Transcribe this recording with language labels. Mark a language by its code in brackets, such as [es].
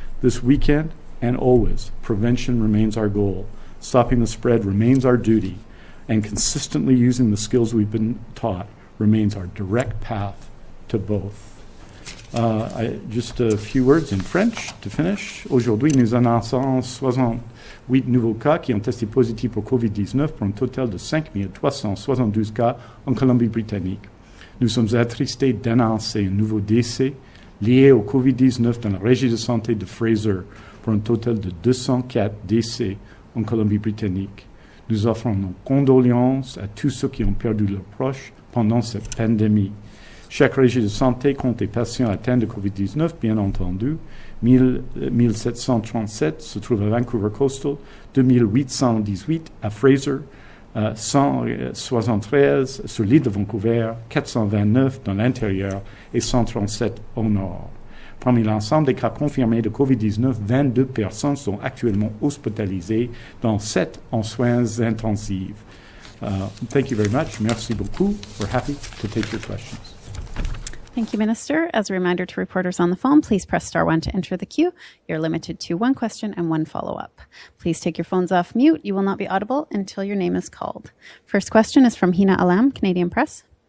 [en] This weekend and always, prevention remains our goal. Stopping the spread remains our duty, and consistently using the skills we've been taught remains our direct path to both. Just a few words in French to finish. [fr] Aujourd'hui, nous annonçons 68 nouveaux cas qui ont testé positif pour COVID-19 pour un total de 5372 cas en Colombie-Britannique. Nous sommes attristés d'annoncer un nouveau décès lié au COVID-19 dans la régie de santé de Fraser pour un total de 204 décès en Colombie-Britannique. Nous offrons nos condoléances à tous ceux qui ont perdu leurs proches pendant cette pandémie. Chaque régie de santé compte des patients atteints de COVID-19, bien entendu. 1737 se trouvent à Vancouver Coastal, 2818 à Fraser, 173 sur l'île de Vancouver, 429 dans l'intérieur et 137 au nord. Parmi l'ensemble des cas confirmés de COVID-19, 22 personnes sont actuellement hospitalisées, dont 7 en soins intensifs. [en] Thank you very much. [fr] Merci beaucoup. [en] We're happy to take your questions. Thank you, Minister. As a reminder to reporters on the phone, please press star one to enter the queue. You're limited to one question and one follow-up. Please take your phones off mute. You will not be audible until your name is called. First question is from Hina Alam, Canadian Press.